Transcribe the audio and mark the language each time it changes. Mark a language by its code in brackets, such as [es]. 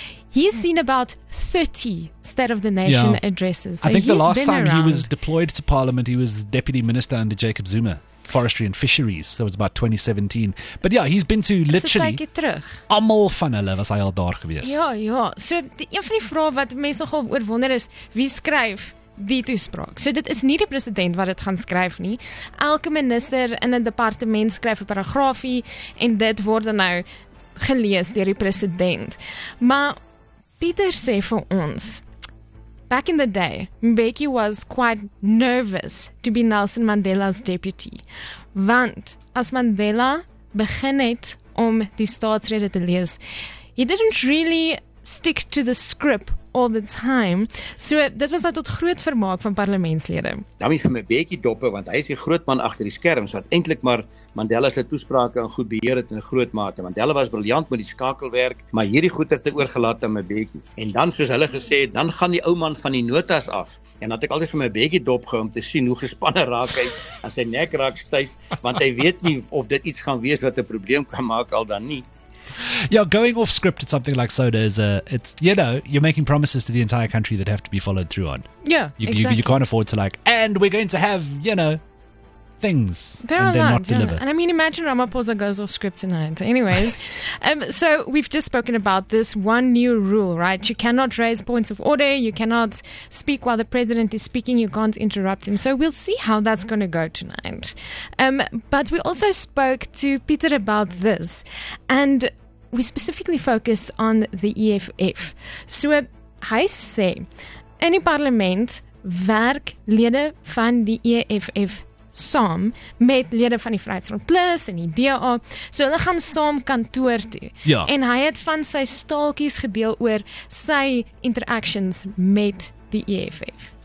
[en] He's seen about 30 State of the Nation addresses. So I think the last time he was deployed to Parliament, he was Deputy Minister under Jacob Zuma. Forestry and Fisheries. That was about 2017. But yeah, he's been to literally [af] almal van hulle was hy al daar gewees. Ja, ja. So een van die vrae wat mense nogal oor wonder is, wie skryf die toespraak? So dit is nie die president wat dit gaan skryf nie. Elke minister in 'n departement skryf 'n paragraafie en dit word dan nou gelees deur die president. Maar Pieter sê vir ons, [en] back in the day, Mbeki was quite nervous to be Nelson Mandela's deputy. [af] Want, as Mandela begin het om die staatsrede te lees, [en] he didn't really stick to the script all the time. [af] So, dit was nou tot groot vermaak van parlementslede. Dan moet ek vir Mbeki doppe, want hy is die groot man agter die skerms, wat eintlik maar Mandela se toesprake in goed beheer het in groot mate. Mandela was briljant met die skakelwerk, maar hierdie goeder te oorgelaat aan Mbeki. En dan, soos hulle gesê het, dan gaan die ou man van die notas af. En dan het ek altyd vir Mbeki dop gehou om te sien hoe gespanne raak hy en sy nek raak styf, want hy weet nie of dit iets gaan wees wat 'n probleem kan maak al dan nie. [en] Yeah, going off script at something like SONA is it's, you know, you're making promises to the entire country that have to be followed through on. Yeah, you can't afford to like, and we're going to have, you know, things there and they're not delivered. And I mean, imagine Ramaphosa goes off script tonight. Anyways, so we've just spoken about this one new rule, right? You cannot raise points of order. You cannot speak while the president is speaking. You can't interrupt him. So we'll see how that's going to go tonight. But we also spoke to Peter about this. And we specifically focused on the EFF. [af] So hy sê, in die parlement werk lede van die EFF saam met lede van die Vryheidsfront Plus en die DA. So hulle gaan saam kantoor toe. Ja. En hy het van sy staaltjies gedeel oor sy interactions met die EFF.